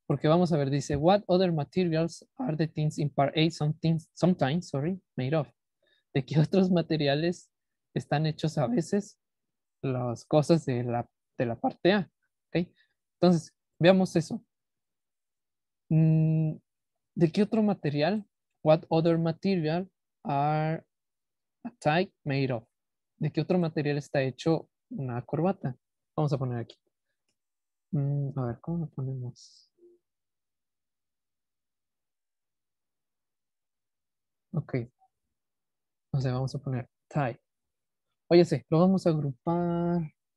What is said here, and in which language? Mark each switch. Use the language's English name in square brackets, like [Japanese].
[Spanish] Porque vamos a ver, dice, [English] what other materials are the things in part A sometimes, made of? [Spanish] ¿De qué otros materiales están hechos a veces las cosas de la parte A? ¿Okay? Entonces, veamos eso. ¿De qué otro material? [English] What other material are a tie made of? [Spanish] ¿De qué otro material está hecho una corbata? Vamos a poner aquí. A ver, ¿cómo lo ponemos? Ok. No sé, vamos a poner tie. Oye, sí, lo vamos a agrupar.